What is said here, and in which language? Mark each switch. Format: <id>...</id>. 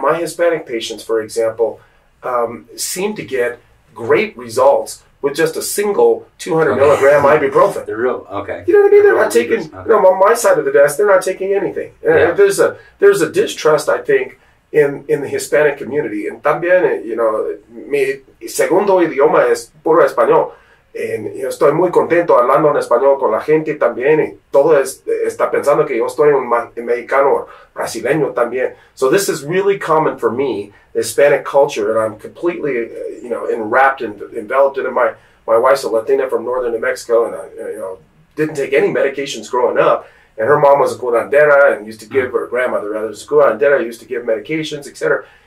<en>My Hispanic patients, for example, seem to get great results with just a single 200 okay. milligram ibuprofen. They're real, okay. You know what I mean? They're not taking, you know, on my side of the desk, they're not taking anything. Yeah. And there's a distrust, I think, in the Hispanic community.</en> <es>And también, you know, mi segundo idioma es puro español. And yo estoy muy contento hablando en español con la gente también. Y todo está pensando que yo estoy un mexicano o brasileño también.</es> <en>So this is really common for me, Hispanic culture, and I'm completely, you know, enwrapped and enveloped in it. My wife's a Latina from northern New Mexico, and I, you know, didn't take any medications growing up. And her mom was a curandera and used to give, her grandmother rather, was a curandera, used to give medications, etc.</en>